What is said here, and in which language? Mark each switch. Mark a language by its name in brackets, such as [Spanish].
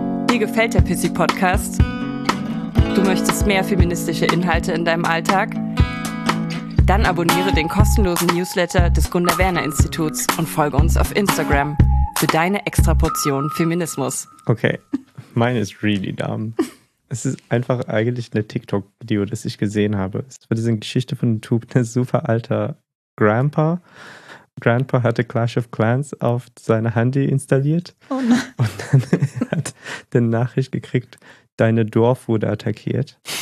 [German] Dir gefällt der Pissi-Podcast? Du möchtest mehr feministische Inhalte in deinem Alltag? Dann abonniere den kostenlosen Newsletter des Gunda-Werner-Instituts und folge uns auf Instagram für deine Extraportion Feminismus. [English] Okay, mine is really dumb. [German] Es ist einfach eigentlich ein TikTok-Video, das ich gesehen habe. Es war diese Geschichte von einem Typ, ein super alter Grandpa. Grandpa hatte Clash of Clans auf seine Handy installiert. Oh nein. Und dann hat die Nachricht gekriegt, deine Dorf wurde attackiert.